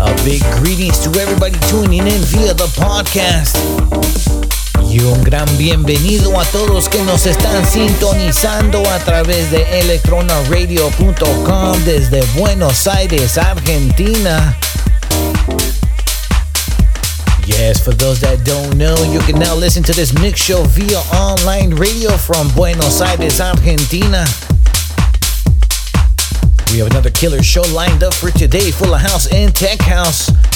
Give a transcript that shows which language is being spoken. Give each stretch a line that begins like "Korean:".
English: A big greetings to everybody tuning in via the podcast.
Spanish: Y un gran bienvenido a todos que nos están sintonizando a través de electronaradio.com desde Buenos Aires, Argentina.
English: Yes, for those that don't know, you can now listen to this mix show via online radio from Buenos Aires, Argentina. We have another killer show lined up for today, full of house and tech house.